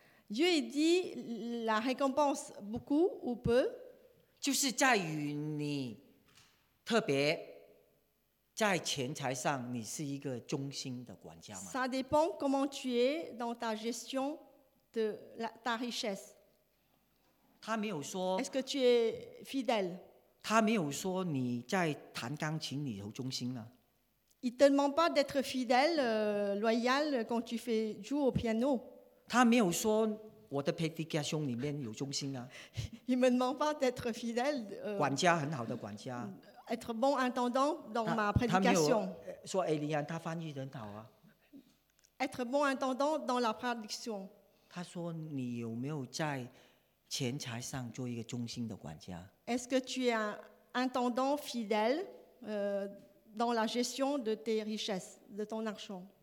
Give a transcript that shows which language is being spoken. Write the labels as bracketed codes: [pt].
[fr] Dieu dit la récompense beaucoup ou peu. [zh] 就是在于你特别在钱财上，你是一个忠心的管家吗？ [fr] Ça dépend comment tu es dans ta gestion de ta richesse. [zh] 他没有说。 [fr] Est-ce que tu es fidèle? [zh] 他没有说你在弹钢琴里头忠心啊。 [fr] Il te demande pas d'être fidèle, loyal quand tu fais jouer au piano. [zh] 他没有说我的 prédication 里面有忠心啊。 [fr] Il me demande pas d'être fidèle. [zh] 管家很好的管家。 [fr] Être bon intendant dans ma prédication. [zh] 说 Elian 他翻译很好啊。 [fr] Être bon intendant dans la prédication. [zh] 他说你有没有在钱财上做一个忠心的管家 [fr] ？Est-ce que tu es un intendant fidèle dans la gestion de tes richesses, de ton argent？